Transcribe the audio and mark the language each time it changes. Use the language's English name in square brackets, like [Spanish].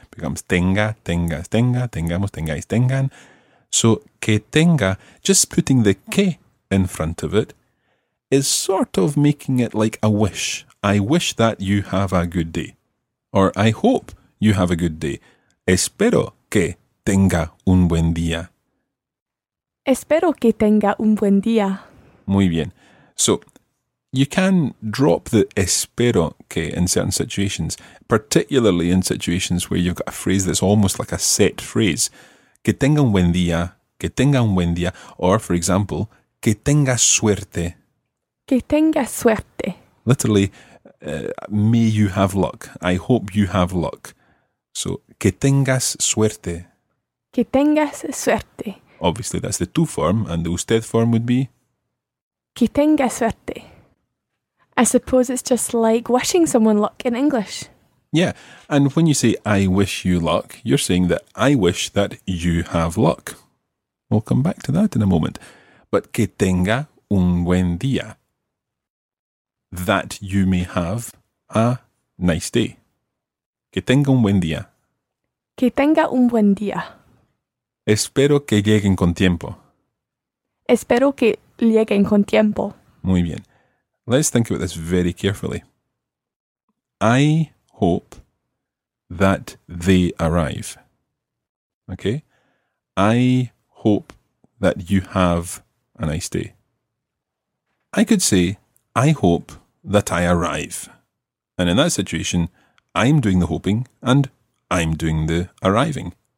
[English] Becomes [Spanish] tenga, tenga, tenga, tengamos, tengáis, tengan. [English] So, [Spanish] que tenga, [English] just putting the que in front of it, is sort of making it like a wish. I wish that you have a good day. Or I hope you have a good day. [Spanish] Espero que tenga un buen día. Espero que tenga un buen día. Muy bien. [English] So, you can drop the espero que in certain situations, particularly in situations where you've got a phrase that's almost like a set phrase. [Spanish] Que tenga un buen día. Que tenga un buen día. [English] Or, for example, [Spanish] que tenga suerte. Que tenga suerte. [English] Literally, may you have luck. I hope you have luck. So, [Spanish] que tengas suerte. Que tengas suerte. [English] Obviously, that's the tú form, and the usted form would be? [Spanish] Que tenga suerte. [English] I suppose it's just like wishing someone luck in English. Yeah, and when you say I wish you luck, you're saying that I wish that you have luck. We'll come back to that in a moment. [Spanish] But que tenga un buen día. [English] That you may have a nice day. [Spanish] Que tenga un buen día. Que tenga un buen día. Espero que lleguen con tiempo. Espero que lleguen con tiempo. Muy bien. [English] Let's think about this very carefully. I hope that they arrive. Okay? I hope that you have a nice day. I could say, I hope that I arrive. And in that situation, I'm doing the hoping and I'm doing the arriving.